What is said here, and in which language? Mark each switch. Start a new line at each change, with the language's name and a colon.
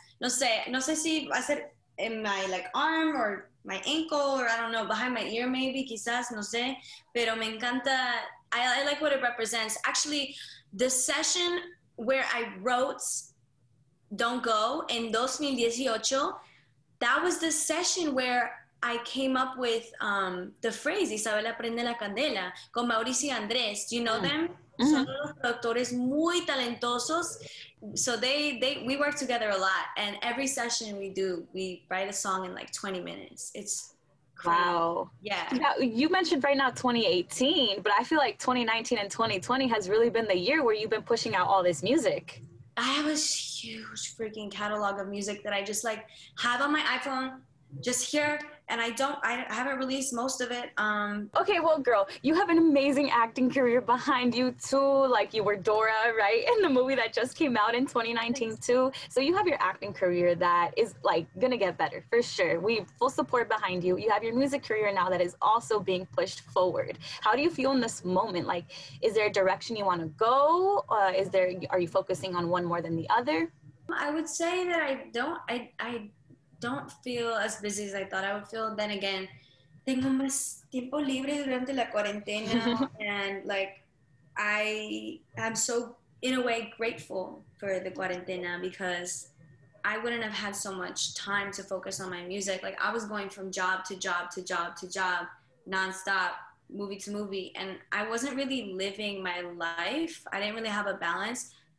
Spanish: No sé si va a ser
English: in my, like, arm or my ankle, or I don't know, behind my ear maybe,
Spanish: quizás, no sé, pero me encanta,
English: I like what it represents. Actually, the session where I wrote Don't Go in 2018, that was the session where I came up with the phrase,
Spanish: Isabela prende la candela,
English: con Mauricio Andrés. Do you know them? Mm-hmm.
Spanish: Son productores muy talentosos.
English: So we work together a lot, and every session we do, we write a song in like 20 minutes. It's crazy. Wow. Yeah. Now, you mentioned right now 2018, but I feel like 2019 and 2020 has really been the year where you've been pushing out all this music. I have a huge freaking catalog of music that I just like have on my iPhone just here. And I haven't released most of it. Okay, well, girl, you have an amazing acting career behind you, too. Like, you were Dora, right? In the movie that just came out in 2019, too. So you have your acting career that is, like, gonna get better, for sure. We have full support behind you. You have your music career now that is also being pushed forward. How do you feel in this moment? Like, is there a direction you want to go? Are you focusing on one more than the other? I would say that I don't feel as busy as I thought I would feel. Then again,
Spanish: tengo más tiempo libre durante la cuarentena.
English: And like, I am so, in a way, grateful for the cuarentena, because I wouldn't have had so much time to focus on my music. Like, I was going from job to job to job to job, nonstop, movie to movie. And I wasn't really living my life. I didn't really have a balance.